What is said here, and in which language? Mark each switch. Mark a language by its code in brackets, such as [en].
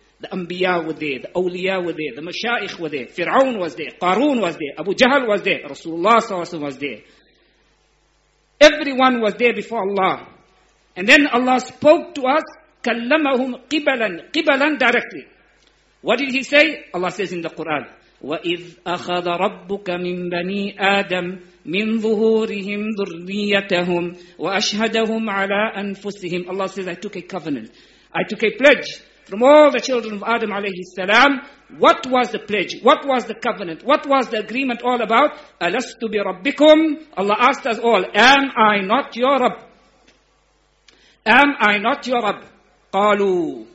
[en] The Anbiya were there, the Awliya were there, the Mashaykh were there, Fir'aun was there, Qarun was there, Abu Jahl was there, Rasulullah was there. Everyone was there before Allah. And then Allah spoke to us, [ar] كَلَّمَهُمْ قِبَلًا. قِبَلًا [en] directly. What did he say? Allah says in the Quran, [ar] وَإِذْ أَخَذَ رَبُّكَ مِنْ بَنِي آدَمْ مِنْ ظُهُورِهِمْ ذُرِّيَّتَهُمْ وَأَشْهَدَهُمْ عَلَىٰ أَنفُسِهِمْ. [en] Allah says, I took a covenant. I took a pledge from all the children of Adam alayhi salam. What was the pledge? What was the covenant? What was the agreement all about? [ar] أَلَسْتُ بِرَبِّكُمْ. [en] Allah asked us all, am I not your Rabb? Am I not your Rabb? قَالُوا.